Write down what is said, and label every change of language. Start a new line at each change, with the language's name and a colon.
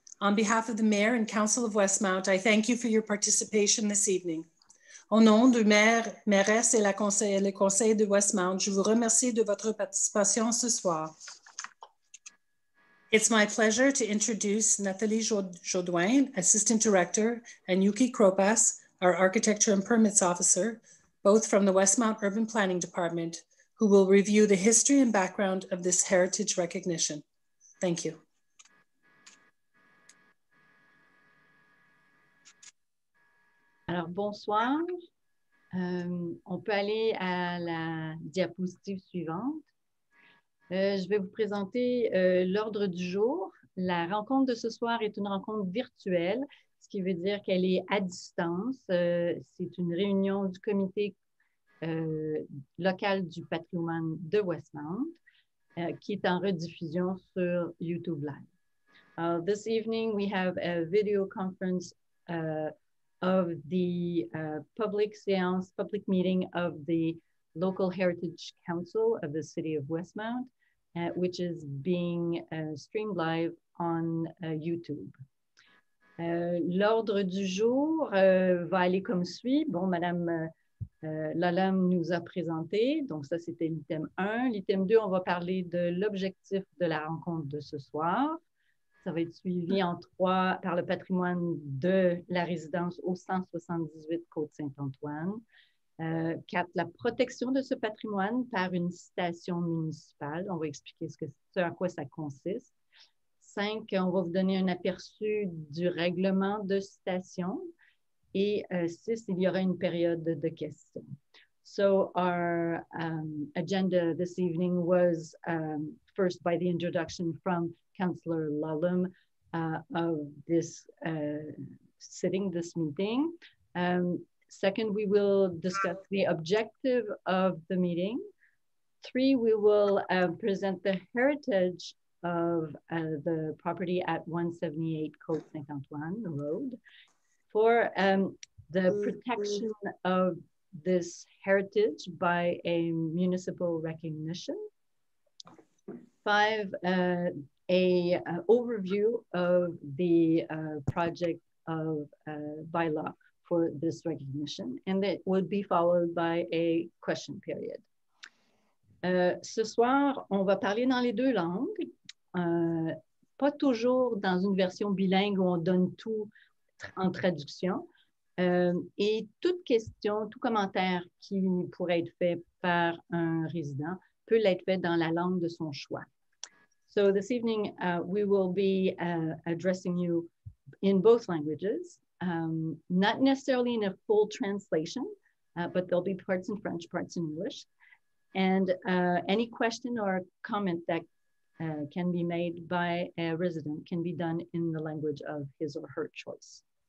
English: On behalf of the Mayor and Council of Westmount, I thank you for your participation this evening.
French: Au nom du maire, mairesse et le conseil de Westmount, je vous remercie de votre participation ce soir.
English: It's my pleasure to introduce Nathalie Jodoin, Assistant Director, and Yuki Kropas, our Architecture and Permits Officer, both from the Westmount Urban Planning Department, who will review the history and background of this heritage recognition. Thank you.
French: Alors, bonsoir. On peut aller à la diapositive suivante. Je vais vous présenter l'ordre du jour. La rencontre de ce soir est une rencontre virtuelle, ce qui veut dire qu'elle est à distance. C'est une réunion du comité local du patrimoine de Westmount qui est en rediffusion sur YouTube Live.
English: This evening, we have a video conference of the public séance, public meeting of the Local Heritage Council of the City of Westmount, which is being streamed live on YouTube.
French: L'ordre du jour va aller comme suit. Bon, Madame Lalam nous a présenté, donc ça c'était l'item 1. L'item 2, on va parler de l'objectif de la rencontre de ce soir. Ça va être suivi en 3 par le patrimoine de la résidence au 178 Côte-Saint-Antoine. 4, la protection de ce patrimoine par une citation municipale. On va expliquer ce à quoi ça consiste. 5, on va vous donner un aperçu du règlement de citation. Et 6, il y aura une période de questions.
English: So our agenda this evening was first by the introduction from Councillor Lullum of this sitting, this meeting. Second, we will discuss the objective of the meeting. 3, we will present the heritage of the property at 178 Côte-Saint-Antoine Road. 4, the protection of this heritage by a municipal recognition. 5, an overview of the project of bylaw for this recognition, and it would be followed by a question period.
French: Ce soir, on va parler dans les deux langues, pas toujours dans une version bilingue où on donne tout en traduction. Et toute question, tout commentaire qui pourrait être fait par un résident peut l'être fait dans la langue de son choix.
English: So this evening, we will be addressing you in both languages, not necessarily in a full translation, but there'll be parts in French, parts in English. And any question or comment that can be made by a resident can be done in the language of his or her choice.